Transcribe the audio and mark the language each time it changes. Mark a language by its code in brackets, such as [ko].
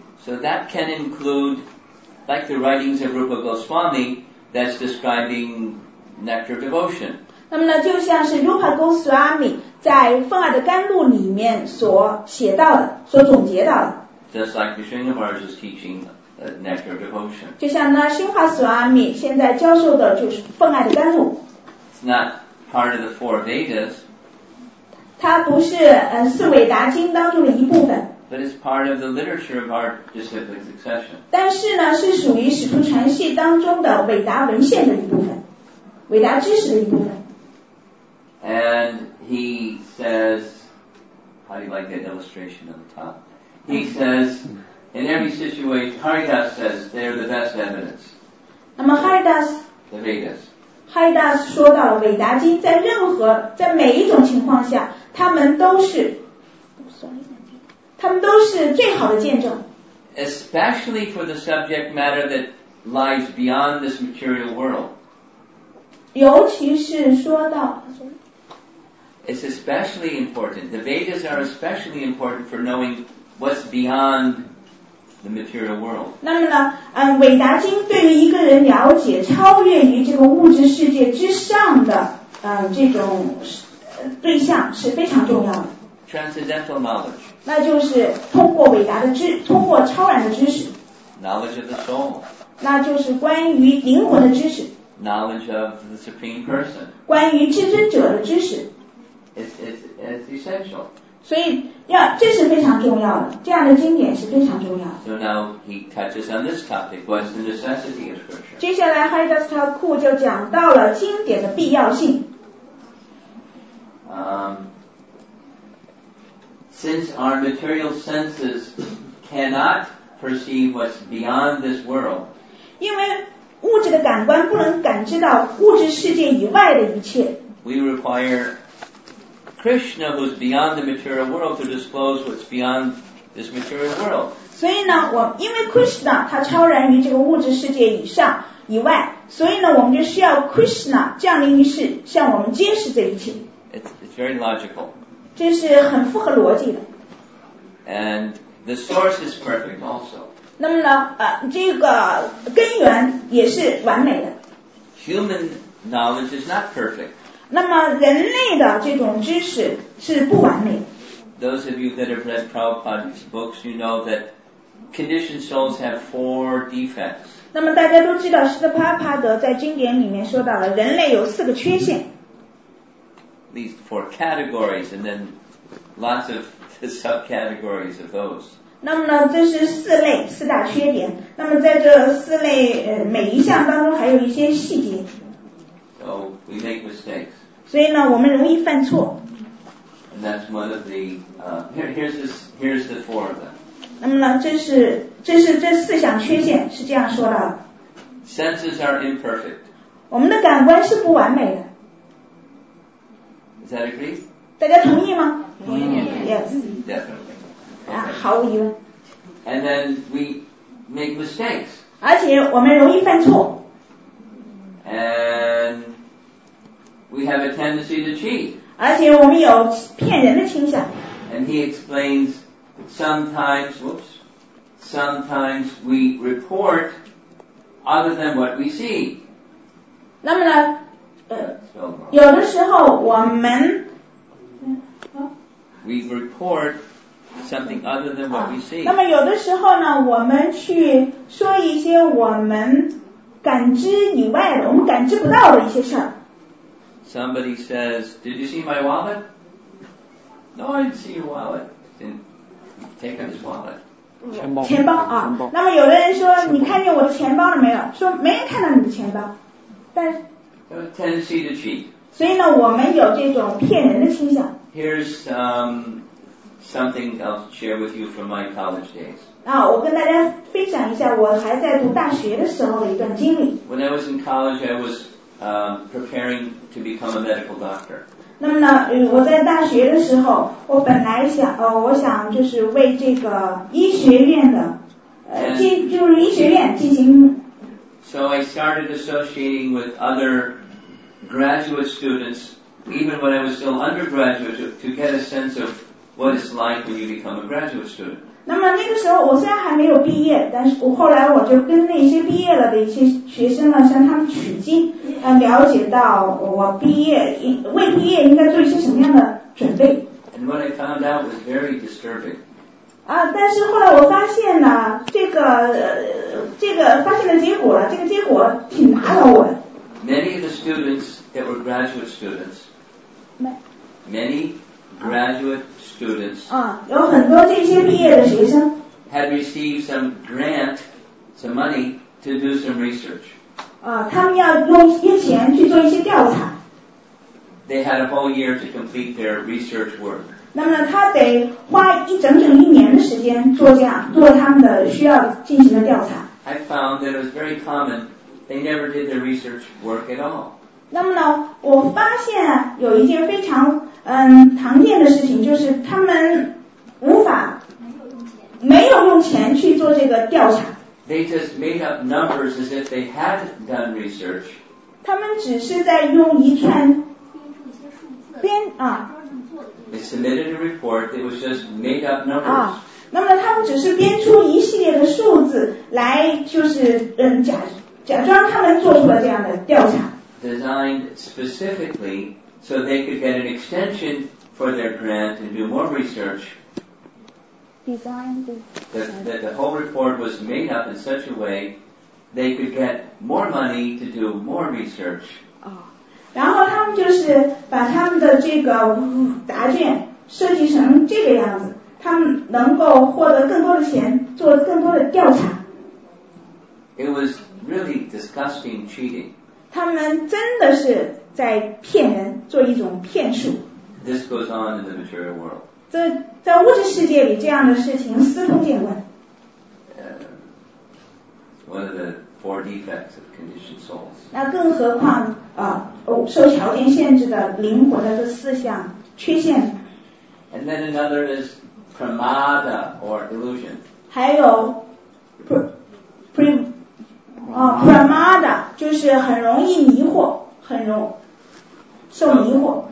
[en] So that can include, like the writings of Rupa Goswami, that's describing nectar devotion. [zh] 那么呢，就像是 Rupa Goswami 在《奉爱的甘露》里面所写到的，所总结到的。 [en] Just like the Srinivas is teaching nectar devotion. [zh] 就像呢，新华斯瓦米现在教授的就是《奉爱的甘露》。 [en] It's not part of the four Vedas. [zh] 它不是四伟达经当中的一部分。 [en] But it's part of the literature of our disciplic succession. [zh] 但是呢，是属于使徒传系当中的伟达文献的一部分，伟达知识的一部分。 [en] And he says, how do you like that illustration on the top? He says, in every situation, Haridas says they are the best evidence. [zh] 那么 Haridas. [en] The Vedas. [zh] Haridas 说到了伟达经在任何在每一种情况下。他们都是最好的见证。 [en] Especially for the subject matter that lies beyond this material world. [zh] 尤其是说到。 [en] It's especially important. The Vedas are especially important for knowing what's beyond the material world. [zh] 那么呢，伟达经对于一个人了解超越于这个物质世界之上的这种。对象是非常重要的。 [en] Transcendental knowledge. [zh] 那就是通过伟达的知，通过超然的知识。 [en] Knowledge of the soul. [zh] 那就是关于灵魂的知识。 [en] Knowledge of the supreme person. [zh] 关于至尊者的知识。 [en] It's essential. [zh] 所以要这是非常重要的，这样的经典是非常重要的。 [en] So now he touches on this topic. What's the necessity of scripture? [zh] 接下来 Haridas Thakur 就讲到了经典的必要性。 [en] Since our material senses cannot perceive what's beyond this world, [zh] 因为物质的感官不能感知到物质世界以外的一切。 [en] We require Krishna, who's beyond the material world, to disclose what's beyond this material world. [zh] 所以呢，因为 Krishna 他超然于这个物质世界以外，所以呢，我们就需要 Krishna 降临于世，向我们揭示这一切。 [en] It's very logical. [zh] 这是很符合逻辑的。 [en] And the source is perfect also. [zh] 那么呢，这个根源也是完美的。 [en] Human knowledge is not perfect. [zh] 那么人类的这种知识是不完美。 [en] Those of you that have read Prabhupada's books, you know that conditioned souls have four defects. [zh] 那么大家都知道，释迦牟尼佛在经典里面说到了，人类有四个缺陷。 [en] these four categories and then lots of the subcategories of those. [zh] 那么呢，这是四类四大缺点。那么在这四类每一项当中还有一些细节。 [en] So we make mistakes. [zh] 所以呢，我们容易犯错。 [en] And that's one of the here's the four of them. [zh] 那么呢，这是这四项缺陷是这样说的。 [en] Senses are imperfect. [zh] 我们的感官是不完美的。 [en] Is that agreed? [zh] 大家同意吗？同意。 [en] Yes. Definitely. [zh] 毫无疑问。 [en] And then we make mistakes. [zh] 而且我们容易犯错。 [en] And we have a tendency to cheat. [zh] 而且我们有骗人的倾向。 [en] And he explains sometimes, whoops, sometimes we report other than what we see. [zh] 那么呢，有的时候我们 [en] we report. Something other than what we see. [zh] 那么有的时候呢，我们去说一些我们感知以外的，我们感知不到的一些事儿。 [en] Somebody says, "Did you see my wallet?" No, I didn't see your wallet. Didn't take his wallet. [zh] 钱包。钱包啊。那么有的人说，你看见我的钱包了没有？说没人看到你的钱包，但是。 [en] So, tendency to cheat. [zh] 所以呢，我们有这种骗人的倾向。 [en] Here's something I'll share with you from my college days. [zh] 啊，我跟大家分享一下我还在读大学的时候的一段经历。 [en] When I was in college, I was preparing to become a medical doctor. [zh] 那么呢，我在大学的时候，我本来想，我想就是为这个医学院的，就是医学院进行。 [en] So I started associating with other graduate students, even when I was still undergraduate, to get a sense of. What it's like when you become a graduate student. [zh] 那么那个时候我虽然还没有毕业，但是我后来我就跟那些毕业了的一些学生呢，向他们取经，了解到我毕业未毕业应该做一些什么样的准备。 [en] And what I found out was very disturbing. [zh] 啊，但是后来我发现呢，发现的结果了，这个结果挺打扰我的。 [en] Many of the students that were graduate students. Many. Graduate students. [zh] 有很多这些毕业的学生 [en] had received some grant, some money to do some research. [zh] 他们要用一些钱去做一些调查。 [en] They had a whole year to complete their research work. [zh] 那么他得花一整整一年的时间做这样做他们的需要进行的调查。 [en] I found that it was very common. They never did their research work at all. [zh] 那么呢，我发现有一件非常常见的事情就是他们无法没有用钱去做这个调查。 [en] They just made up numbers as if they had done research. [zh] 他们只是在用一串编啊。 [en] They submitted a report. It was just made up numbers. [zh] 啊，那么他们只是编出一系列的数字来，就是假装他们做出了这样的调查。 [en] Designed specifically. So they could get an extension for their grant and do more research. Designed. That the whole report was made up in such a way they could get more money to do more research. [zh] 然后他们就是把他们的这个答卷设计成这个样子，他们能够获得更多的钱，做更多的调查。 [en] It was really disgusting cheating. [zh] 他们真的是在骗人，做一种骗术。 [en] This goes on in the material world. [zh] 在物质世界里，这样的事情司空见惯。 [en] One of the four defects of conditioned souls. [zh] 那更何况受条件限制的灵魂的这四项缺陷。 [en] And then another is pramada or illusion. [zh] 还有 pramada 就是很容易迷惑，很容。受迷惑。